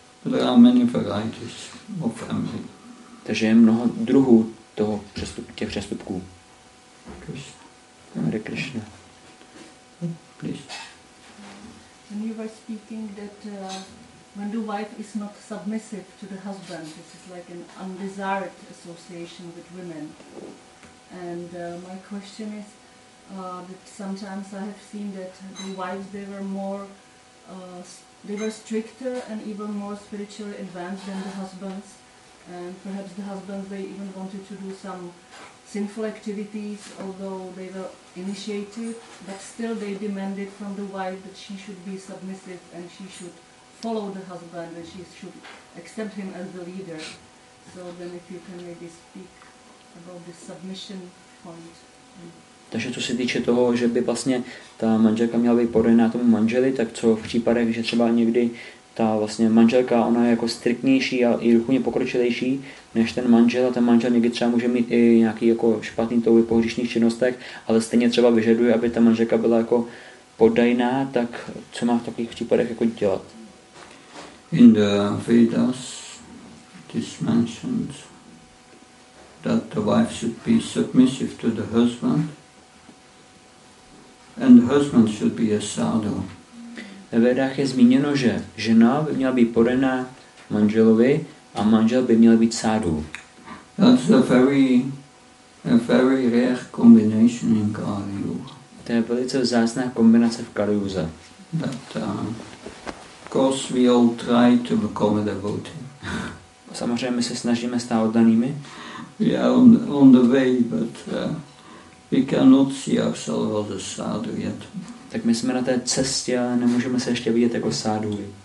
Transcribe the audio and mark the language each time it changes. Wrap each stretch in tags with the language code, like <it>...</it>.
<en>There are many varieties of envy.</en> <cs>Takže je mnoho druhů toho těch přestupků.</cs> <en>Hare Krishna. Please. When you were speaking that when the wife is not submissive to the husband, this is like an undesired association with women. And my question is that sometimes I have seen that the wives, they were more they were stricter and even more spiritually advanced than the husbands. And perhaps the husbands, they even wanted to do some sinful activities, although they were initiated, but still they demanded from the wife that she should be submissive and she should follow the husband and she should accept him as the leader. So then if you can maybe speak about the submission point.</en> <cs>Takže co se týče toho, že by vlastně ta manželka měla být podřízená tomu manželi, tak co v případech, že třeba někdy ta vlastně manželka, ona je jako striktnější a i duchovně pokročilejší než ten manžel, a ten manžel někdy třeba může mít i nějaký jako špatný touhy po hříšných činnostech, ale stejně třeba vyžaduje, aby ta manželka byla jako poddajná, tak co má v takových případech jako dělat?</cs> <en>In the Vedas it is mentioned that the wife should be submissive to the husband and the husband should be a sadhu.</en> <cs>Ve Vedách je zmíněno, že žena by měla být podaná manželovi a manžel by měl být sádhu.</cs> <en>That's a very rare combination in Kali Yuga.</en> <cs>To je velice vzácná kombinace v Kali Yuze.</cs> <en>Of course we all try to become a devotee.</en> <cs>Samozřejmě se snažíme stát oddanými.</cs> <en>We are on the way, but we cannot see ourselves as sádhu yet.</en> <cs>Tak my jsme na té cestě, ale nemůžeme se ještě vidět jako sádhuji.</cs>